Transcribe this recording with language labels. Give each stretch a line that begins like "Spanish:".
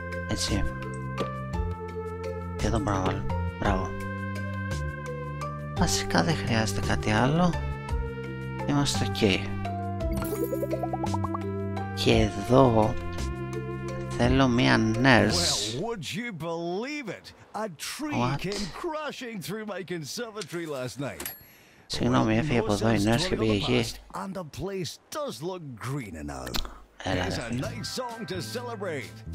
Greek: Έτσι. Και εδώ μπορώ να βάλω. Μπράβο. Βασικά δεν χρειάζεται κάτι άλλο. Είμαστε ok. Και εδώ θέλω μία nurse.
English: Would you believe it? A tree came crushing through my conservatory last night.
Greek: Συγγνώμη, έφυγε από εδώ η nurse και πήγε εκεί.
English: And the place does look green enough. There's a nice song to celebrate.